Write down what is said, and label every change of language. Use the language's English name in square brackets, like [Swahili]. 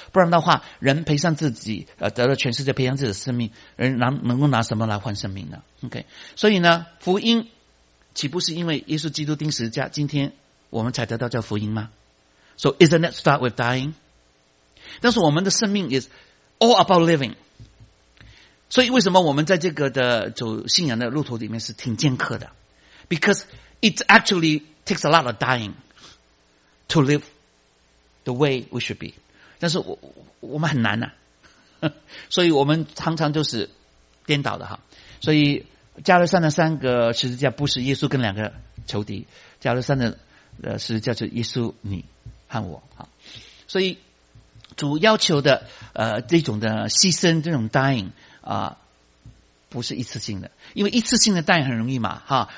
[Chinese] 不然的话，人赔上自己，得了全世界，赔上自己的生命，人能够拿什么来换生命呢 ？OK， 所以呢，福音岂不是因为耶稣基督钉十字架，今天我们才得到这福音吗？ [English] So isn't that start with dying? [Chinese] 但是我们的生命 [English] is all about living. [Chinese] 所以为什么我们在这个的走信仰的路途里面是挺尖刻的？ [English] Because it actually takes a lot of dying to live the way we should be. [Chinese] 但是我们很难啊，所以我们常常就是颠倒的哈。所以加勒山的三个十字架不是耶稣跟两个仇敌，加勒山的十字架就是耶稣你和我啊，所以主要求的这种的牺牲，这种答应啊，不是一次性的，因为一次性的答应很容易嘛哈。